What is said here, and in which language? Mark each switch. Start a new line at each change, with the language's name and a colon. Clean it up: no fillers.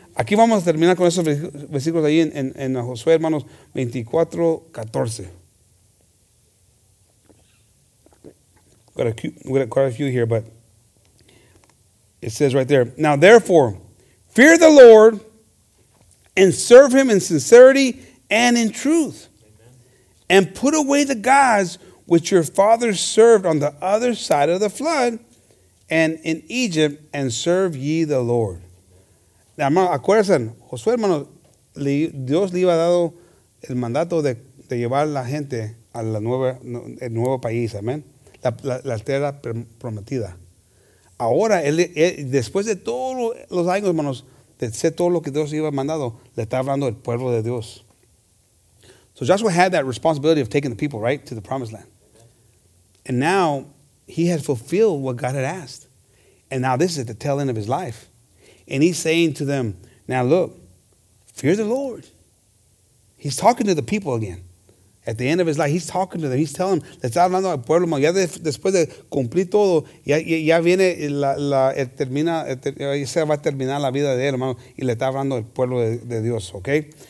Spanish: Aquí vamos a terminar con esos versículos ahí en Josué, hermanos, 24:14.
English: We got a few here, but it says right there. Now, therefore, fear the Lord and serve him in sincerity and in truth. And put away the gods which your fathers served on the other side of the flood and in Egypt, and serve ye the Lord.
Spanish: Now, hermano, acuérdense, Josué, hermano, Dios le iba a dar el mandato de llevar la gente a la nueva, el nuevo país, amén, la tierra prometida. Ahora, él, después de todos los años, hermanos, de hacer todo lo que Dios iba a mandado, le está hablando el pueblo de Dios.
English: So Joshua had that responsibility of taking the people, right, to the promised land. And now he had fulfilled what God had asked. And now this is at the tail end of his life. And he's saying to them, now look, fear the Lord. He's talking to the people again. At the end of his life, he's talking to them. He's telling them,
Spanish: le está hablando al pueblo, ya después de cumplir todo, ya viene, se va a terminar la vida de él, hermano, y le está hablando al pueblo de Dios, okay?